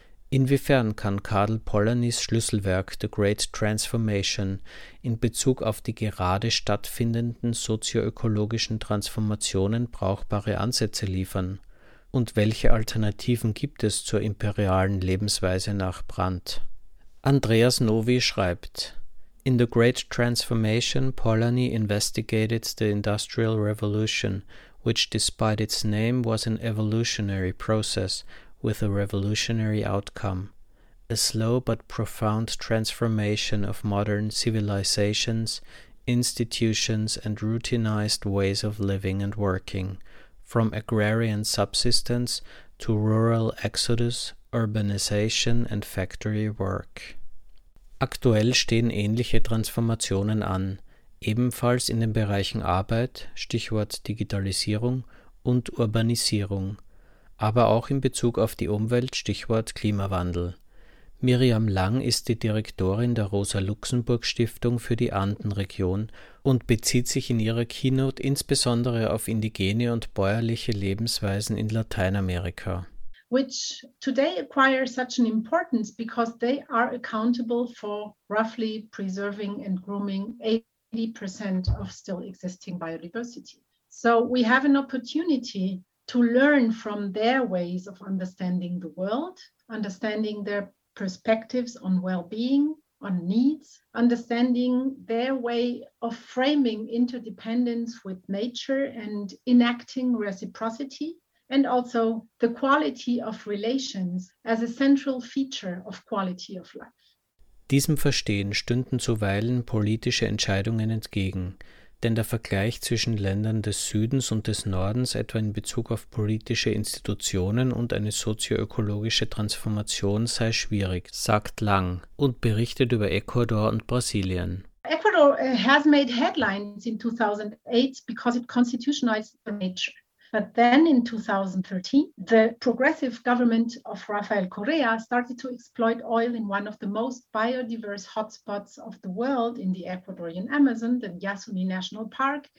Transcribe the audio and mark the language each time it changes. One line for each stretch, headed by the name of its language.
German: Inwiefern kann Karl Polanyis Schlüsselwerk The Great Transformation in Bezug auf die gerade stattfindenden sozioökologischen Transformationen brauchbare Ansätze liefern? Und welche Alternativen gibt es zur imperialen Lebensweise nach Brandt? Andreas Novi schreibt:
English: In The Great Transformation, Polanyi investigated the Industrial Revolution, which despite its name was an evolutionary process with a revolutionary outcome. A slow but profound transformation of modern civilizations, institutions and routinized ways of living and working, from agrarian subsistence to rural exodus, urbanization and factory work.
German: Aktuell stehen ähnliche Transformationen an, ebenfalls in den Bereichen Arbeit, Stichwort Digitalisierung, und Urbanisierung, aber auch in Bezug auf die Umwelt, Stichwort Klimawandel. Miriam Lang ist die Direktorin der Rosa-Luxemburg-Stiftung für die Andenregion und bezieht sich in ihrer Keynote insbesondere auf indigene und bäuerliche Lebensweisen in Lateinamerika.
English: Which today acquire such an importance because they are accountable for roughly preserving and grooming 80% of still existing biodiversity. So we have an opportunity to learn from their ways of understanding the world, understanding their perspectives on well-being, on needs, understanding their way of framing interdependence with nature and enacting reciprocity, and also the quality of relations as a central feature of quality of life.
German: Diesem Verstehen stünden zuweilen politische Entscheidungen entgegen, denn der Vergleich zwischen Ländern des Südens und des Nordens etwa in Bezug auf politische Institutionen und eine sozioökologische Transformation sei schwierig, sagt Lang und berichtet über Ecuador und Brasilien.
English: Ecuador has made headlines in 2008 because it constitutionalized the nature. But then in 2013, the progressive government of Rafael Correa started to exploit oil in one of the most biodiverse hotspots of the world in the Ecuadorian Amazon, the Yasuni National Park.